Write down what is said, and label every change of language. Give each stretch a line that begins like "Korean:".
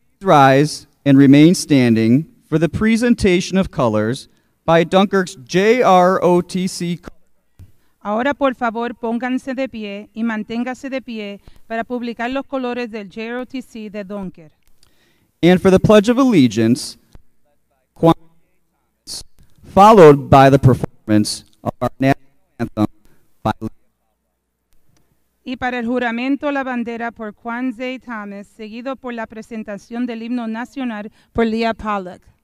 English: Now rise and remain standing for the presentation of colors by Dunkirk's JROTC.
Spanish: Ahora por favor pónganse de pie y manténgase de pie para publicar los colores del JROTC de Dunkirk.
English: And for the Pledge of Allegiance, followed by the performance of our national anthem by
Spanish: Y para el juramento a la bandera por Quan Zay Thomas, seguido por la presentación del himno nacional por Leah Pollock.